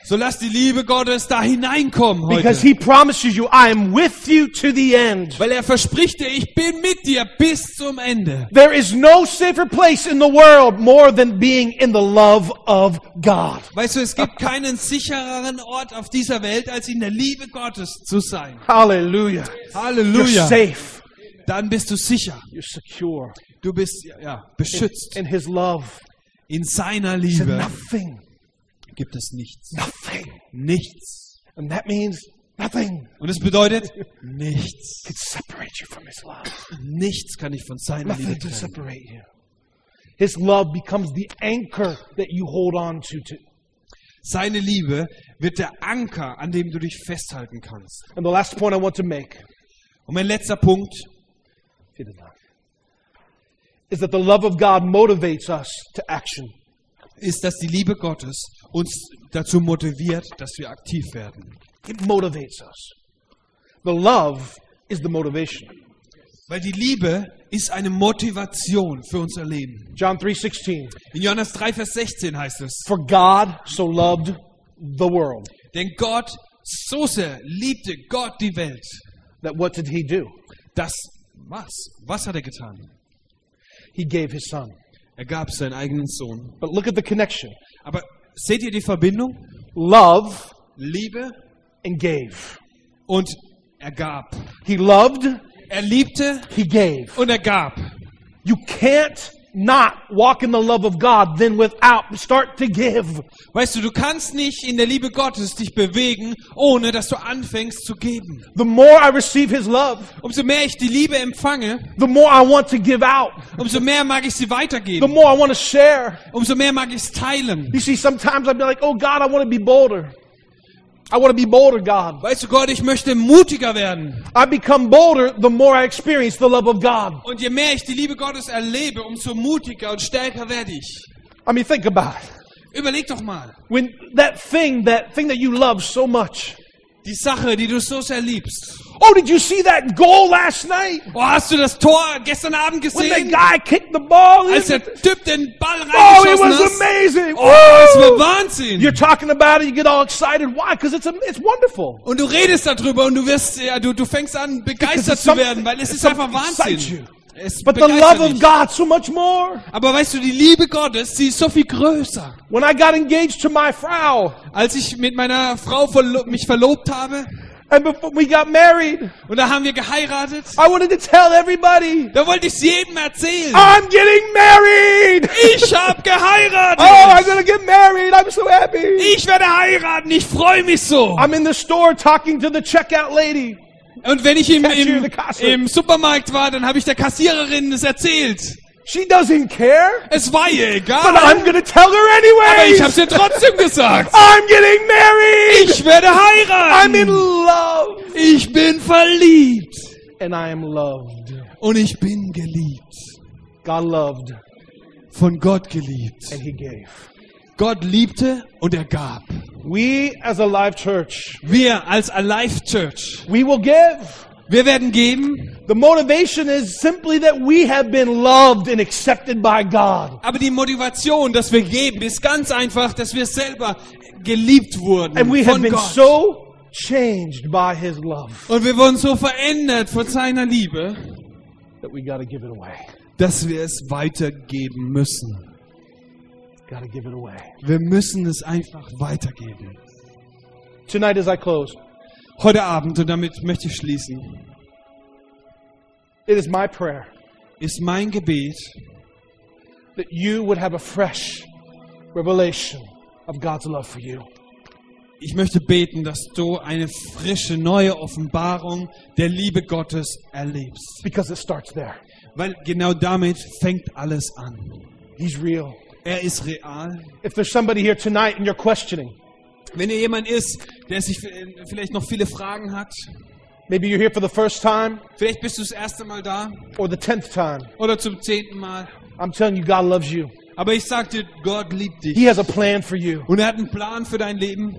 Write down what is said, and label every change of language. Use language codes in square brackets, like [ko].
[de] So lass die Liebe Gottes da hineinkommen heute. [en] Because he promises you, I am with you to the end. [de] Weil er verspricht dir, ich bin mit dir bis zum Ende. [en] There is no safer place in the world more than being in the love of God. [de] Weißt du, es gibt keinen sichereren Ort auf dieser Welt, als in der Liebe Gottes zu sein. Halleluja. Halleluja. [en] You're safe. [de] Dann bist du sicher. [en] You're secure. [de] Du bist beschützt. [en] In his love. [de] In seiner Liebe. [en] Nothing. [de] Gibt es nichts. [en] Nothing. [de] Nichts. [en] And that means nothing. [de] Und es bedeutet nichts. [en] Can separate you from his love. [de] Nichts kann dich von seiner [en] nothing [de] Liebe trennen. [en] To separate you. His love becomes the anchor that you hold on to. [de] Seine Liebe wird der Anker, an dem du dich festhalten kannst. [en] And the last point I want to make. [de] Und mein letzter Punkt. Vielen Dank. [en] Is that the love of God motivates us to action. [de] Ist, dass die Liebe Gottes uns dazu motiviert, dass wir aktiv werden. [en] It motivates us. The love is the motivation. [de] Weil die Liebe ist eine Motivation für unser Leben. [en] John 3:16. [de] In Johannes 3, Vers 16 heißt es. [en] For God so loved the world. [de] Denn Gott so sehr liebte Gott die Welt. [en] That what did he do? [de] Dass Was? Was hat er getan? [en] He gave his son. [de] Er gab seinen eigenen Sohn. [en] But look at the connection. [de] Aber seht ihr die Verbindung? [en] Love, [de] Liebe, [en] and gave. [de] Und er gab. [en] He loved, [de] er liebte, [en] he gave. [de] Und er gab. [en] You can't not walk in the love of God then without start to give. [de] Weißt du kannst nicht in der Liebe Gottes dich bewegen, ohne dass du anfängst zu geben. [en] The more I receive his love, [de] umso mehr ich die Liebe empfange, [en] the more I want to give out, [de] umso mehr mag ich sie weitergeben. [en] The more I want to share, [de] umso mehr mag ich es teilen. [en] You see, sometimes I'd be like, oh God, I want to be bolder. I want to be bolder, God. [de] Weißt du, Gott, ich möchte mutiger werden. [en] I become bolder the more I experience the love of God. [de] Und je mehr ich die Liebe Gottes erlebe, umso mutiger und stärker werde ich. [en] I mean, think about it. [de] Überleg doch mal. [en] When that thing that you love so much. [de] Die Sache, die du so sehr liebst. [en] Oh, did you see that goal last night? [de] Oh, hast du das Tor gestern Abend gesehen? [en] When the guy kicked the ball in. [de] Als der Typ den Ball reingeschossen hat. [en] Oh, it was amazing. [de] Oh, es war Wahnsinn. [en] You're talking about it, you get all excited. Why? Because it's wonderful. [de] Und du redest darüber und du wirst, ja, du fängst an begeistert zu werden, weil es ist einfach Wahnsinn. [en] But the love of God so much more. [de] Aber weißt du, die Liebe Gottes, sie ist so viel größer. [en] When I got engaged to my Frau. [de] Als ich mit meiner Frau mich verlobt habe. [en] And before we got married, [de] und da haben wir geheiratet. [en] I wanted to tell everybody. [de] Da wollte ich jedem erzählen. [en] I'm getting married. [de] Ich habe geheiratet. [en] Oh, I'm gonna get married. I'm so happy. [de] Ich werde heiraten. Ich freue mich so. [en] I'm in the store talking to the checkout lady. [de] Und wenn ich im Supermarkt war, dann habe ich der Kassiererin es erzählt. [en] She doesn't care. [de] Es war ihr egal. [en] But I'm gonna tell her anyway. [de] Aber ich habe es ihr trotzdem gesagt. [en] I'm getting married. [de] Ich werde heiraten. [en] I'm in love. [de] Ich bin verliebt. [en] And I am loved. [de] Und ich bin geliebt. [en] God loved. [de] Von Gott geliebt. [en] And he gave. [de] Gott liebte und er gab. [en] We as a live church. [de] Wir als a live church. [en] We will give. [de] Wir werden geben. [en] The motivation is simply that we have been loved and accepted by God. [de] Aber die Motivation, dass wir geben, ist ganz einfach, dass wir selber geliebt wurden von Gott. [en] And we have been so changed by his love. [de] Und wir wurden so verändert von seiner Liebe, [en] that we gotta give it away. [de] Dass wir es weitergeben müssen. [en] Gotta give it away. [de] Wir müssen es einfach weitergeben. [en] Tonight as I close. [de] Heute Abend, und damit möchte ich schließen. [en] It is my prayer. [de] Ist mein Gebet, [en] that you would have a fresh revelation of God's love for you. [de] Ich möchte beten, dass du eine frische neue Offenbarung der Liebe Gottes erlebst. [en] Because it starts there. [de] Weil genau damit fängt alles an. [en] He's real. [de] Er ist real. [en] If there's somebody here tonight and you're questioning. [de] Wenn ihr jemand ist, der sich vielleicht noch viele Fragen hat, [en] maybe you're here for the first time, [de] vielleicht bist du das erste Mal da, [en] or the tenth time, [de] oder zum zehnten Mal, [en] I'm telling you, God loves you. [de] Aber ich sag dir, Gott liebt dich. [en] He has a plan for you. [de] Und er hat einen Plan für dein Leben.